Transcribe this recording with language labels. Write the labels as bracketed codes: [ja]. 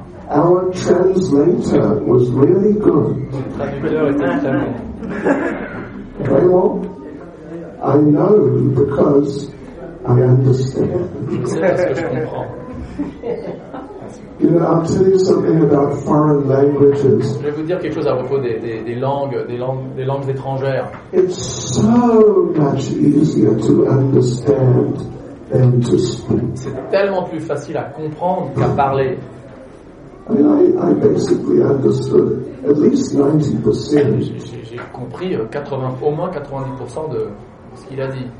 [en] our translator was really good. Very well. I know because I understand. You know, I'll tell you something about foreign languages. [fr] Je vais vous dire quelque chose à propos des langues étrangères. [en] It's so much easier to understand than to speak. [fr] C'est tellement plus facile à comprendre qu'à parler. [en] I mean, I basically understood at least 90%. [fr] J'ai compris au moins 90% de ce qu'il a dit.